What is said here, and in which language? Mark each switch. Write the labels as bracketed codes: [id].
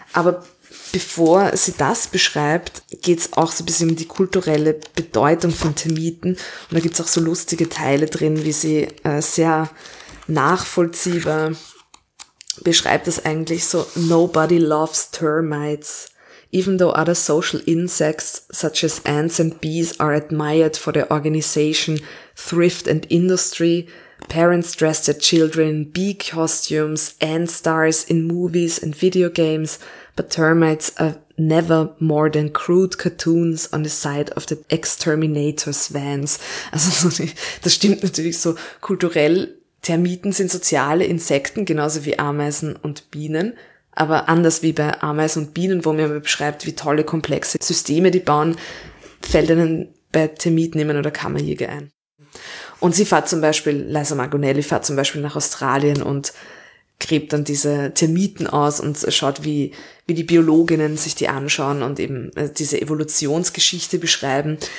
[de] Aber bevor sie das beschreibt, geht es auch so ein bisschen um die kulturelle Bedeutung von Termiten. Und da gibt es auch so lustige Teile drin, wie sie sehr nachvollziehbar beschreibt das eigentlich so, [en] nobody loves termites. Even though other social insects, such as ants and bees, are admired for their organization, thrift and industry, parents dress their children in bee costumes, ant stars in movies and video games, but termites are never more than crude cartoons on the side of the exterminators' vans. [de] Also das stimmt natürlich so kulturell. Termiten sind soziale Insekten, genauso wie Ameisen und Bienen. Aber anders wie bei Ameisen und Bienen, wo man beschreibt, wie tolle, komplexe Systeme die bauen, fällt einem bei Termitnehmern oder Kammerjäger ein. Und sie fährt zum Beispiel, Liza Margonelli fährt zum Beispiel nach Australien und gräbt dann diese Termiten aus und schaut, wie die Biologinnen sich die anschauen und eben diese Evolutionsgeschichte beschreiben.